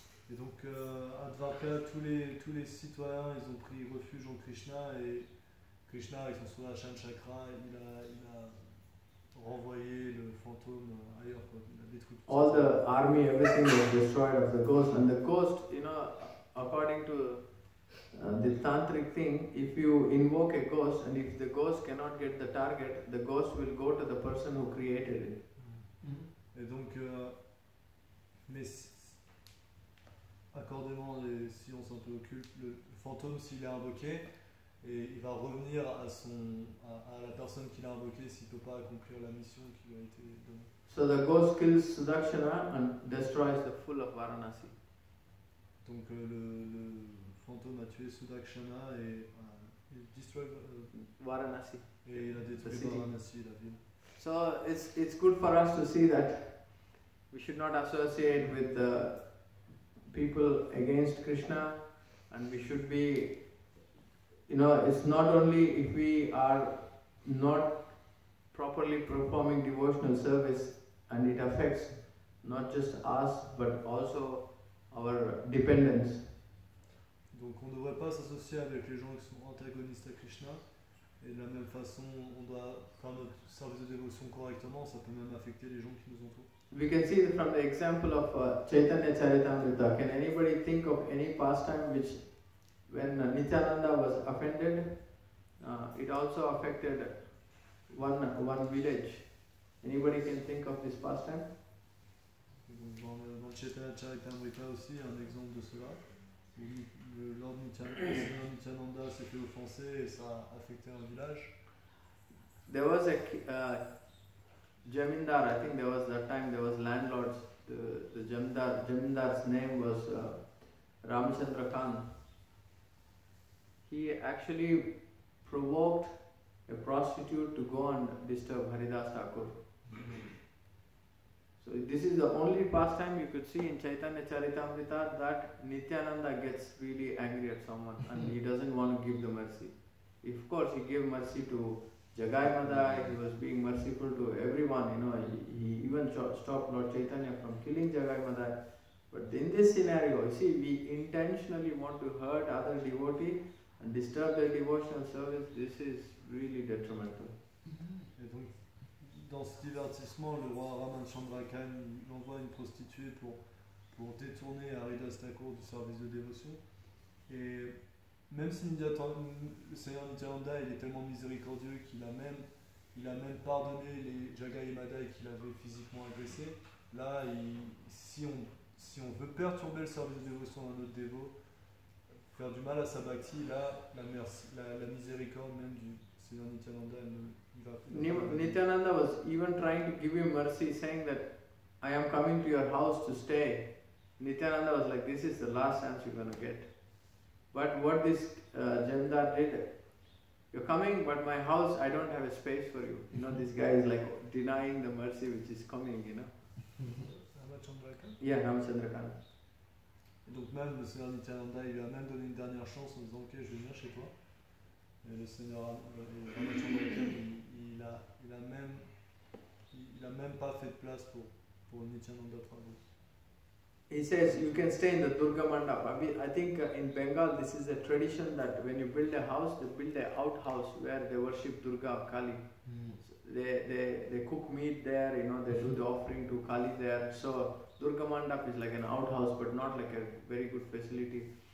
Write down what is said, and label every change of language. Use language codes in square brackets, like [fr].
[fr] Et donc à Dwarka, tous les citoyens ils ont pris refuge en Krishna et Krishna avec son Sudarshan Chakra il a renvoyé le fantôme ailleurs quoi. Il a détruit tout [en] all [fr] ça. [en] The army, everything was destroyed of the ghost, and the ghost, you know, according to the tantric thing, if you invoke a ghost and if the ghost cannot get the target, the ghost will go to the person who created it. Mm-hmm. [fr] Et donc, mais accordément, les sciences un peu occultes, le fantôme, s'il est invoqué, et il va revenir à la personne qu'il a invoqué s'il ne peut pas accomplir la mission qui lui a été donnée. [en] So the ghost kills Sudakshana and destroys the full of Varanasi. [fr] Donc, le fantôme a tué Sudakshana et il [en] destroy [fr] Varanasi. Et il a détruit Varanasi, la ville. [en] So it's good for us to see that we should not associate with the people against Krishna, and we should be, you know, it's not only if we are not properly performing devotional service and it affects not just us but also our dependents. Donc on ne devrait pas s'associer avec les gens qui sont antagonistes à Krishna, et de la même façon on doit faire notre service de dévotion correctement, ça peut même affecter les gens qui nous entourent. We can see from the example of Chaitanya Charitamrita, can anybody think of any pastime which when Nityananda was offended, it also affected one village? Anybody can think of this pastime? [fr] Dans Chaitanya Charitamrita aussi, un exemple de cela. Lord Nityananda s'est fait offenser et ça a affecté un village. [en] There was a Jamindar, I think there was that time there was landlords. The Jamindar's name was Ramchandra Khan. He actually provoked a prostitute to go and disturb Haridas Thakur. So this is the only pastime you could see in Chaitanya Charitamrita that Nityananda gets really angry at someone and he doesn't want to give the mercy. Of course, he gave mercy to Jagai Madai, he was being merciful to everyone, you know, he even stopped Lord Chaitanya from killing Jagai Madai. But in this scenario, you see, we intentionally want to hurt other devotee and disturb their devotional service. This is really detrimental. [fr] Et donc, dans ce divertissement, le roi Raman Chandrakan envoie une prostituée pour détourner Haridas Thakur du service de dévotion. Et même si le Seigneur Nityananda est tellement miséricordieux qu'il a même, il a même pardonné les Jagai Madai qu'il avait physiquement agressé, là, si on veut perturber le service de dévotion d'un autre dévot, faire du mal à sa bhakti, là, la miséricorde même du Seigneur Nityananda, [en] Nityananda was even trying to give him mercy, saying that I am coming to your house to stay. Nityananda was like, this is the last chance you're going to get. But what this Jamdar did, you're coming, but my house, I don't have a space for you. You know, this guy is like denying the mercy which is coming, you know. Yeah, Ramachandrakan. [fr] Et donc même le Seigneur Nityananda, il lui a même donné une dernière chance en disant, ok, je vais venir chez toi. Et le Seigneur Ramachandrakan, il a même pas fait de place pour Nityananda Prabhu. [en] He says, you can stay in the Durga Mandap. I think in Bengal, this is a tradition that when you build a house, they build an outhouse where they worship Durga or Kali. Mm. So they cook meat there, you know, they do the offering to Kali there. So Durga Mandap is like an outhouse, but not like a very good facility.